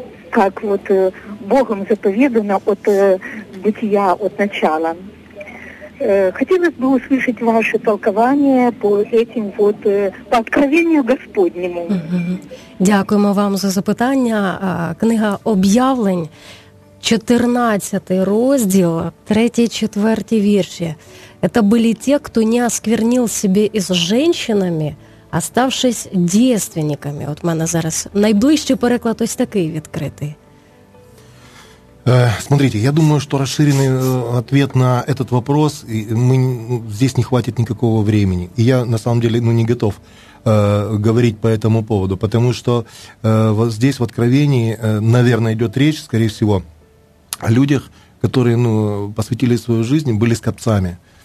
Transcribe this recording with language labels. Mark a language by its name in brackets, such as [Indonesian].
[Russian] Как вот Богом заповедано от бытия, от начала. Хотелось бы услышать ваше толкование по этим вот, по откровению Господнему. [Ukrainian] Дякуємо вам за запитання. Книга «Об'явлень», 14 розділ, 3-4 вірші. [Russian] Это были те, кто не осквернил себе и с женщинами, оставшись девственниками. Вот у меня сейчас [Ukrainian] найближчий переклад ось такий відкритий. [Russian] Смотрите, я думаю, что расширенный ответ на этот вопрос, мы, здесь не хватит никакого времени. И я на самом деле не готов говорить по этому поводу, потому что вот здесь в Откровении, наверное, идет речь, скорее всего, о людях, которые посвятили свою жизнь, были скопцами.